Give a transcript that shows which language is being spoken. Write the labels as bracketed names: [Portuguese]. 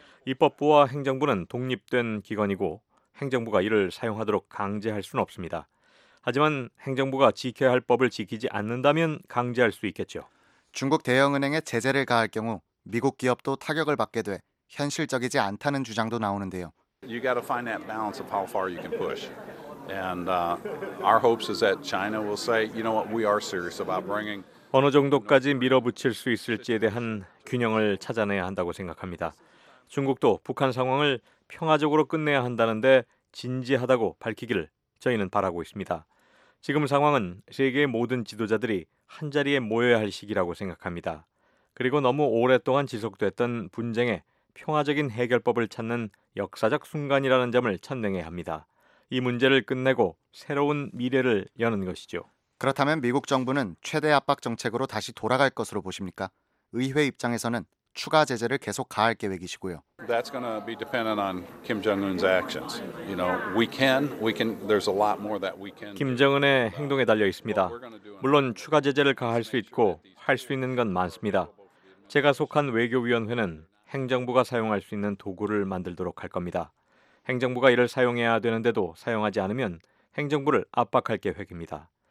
[Korean] 입법부와 행정부는 독립된 기관이고 행정부가 이를 사용하도록 강제할 수는 없습니다. 하지만 행정부가 지켜야 할 법을 지키지 않는다면 강제할 수 있겠죠. 중국 대형은행에 제재를 가할 경우 미국 기업도 타격을 받게 돼 현실적이지 않다는 주장도 나오는데요. [English] You got to find that balance of how far you can push. And our hopes is that China will say, you know what, we are serious about bringing. [Korean] 어느 정도까지 밀어붙일 수 있을지에 대한 균형을 찾아내야 한다고 생각합니다. 중국도 북한 상황을 평화적으로 끝내야 한다는데 진지하다고 밝히기를 저희는 바라고 있습니다. 지금 상황은 세계의 모든 지도자들이 한자리에 모여야 할 시기라고 생각합니다. 그리고 너무 오랫동안 지속됐던 분쟁에 평화적인 해결법을 찾는 역사적 순간이라는 점을 천명해야 합니다. 이 문제를 끝내고 새로운 미래를 여는 것이죠. 그렇다면 미국 정부는 최대 압박 정책으로 다시 돌아갈 것으로 보십니까? 의회 입장에서는 추가 제재를 계속 가할 계획이시고요. [English] That's going to be dependent on Kim Jong-un's actions. You know, we can there's a lot more that we can. [Korean] 김정은의 행동에 달려 있습니다. 물론 추가 제재를 가할 수 있고 할 수 있는 건 많습니다. 제가 속한 외교위원회는 행정부가 사용할 수 있는 도구를 만들도록 할 겁니다. 행정부가 이를 사용해야 되는데도 사용하지 않으면 행정부를 압박할 계획입니다.